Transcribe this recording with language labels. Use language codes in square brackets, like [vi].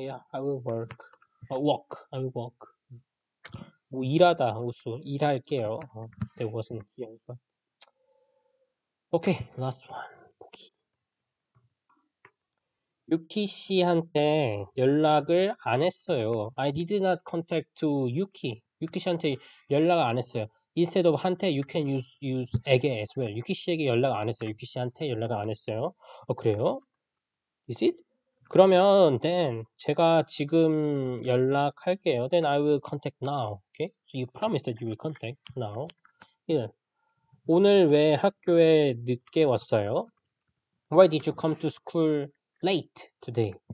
[en] Yeah, I will work. Walk, I will walk. [ko] 뭐 일하다, [en] also [ko] 일할게요. [en] That wasn't here, but. Okay, last one. [ko] 유키 씨한테 연락을 안 했어요. [en] I did not contact to 유키. [ko] 유키 씨한테 연락을 안 했어요. [en] Instead of 한테, you can use 에게 as well. [ko] 유키 씨에게 연락 안 했어요. 유키 씨한테 연락을 안 했어요. 그래요? [en] Is it? [ko] 그러면 [en] then [ko] 제가 지금 연락할게요. [en] Then I will contact now. Okay? So you promise that you will contact now. 1. [ko] 오늘 왜 학교에 늦게 왔어요? [en] Why did you come to school late today?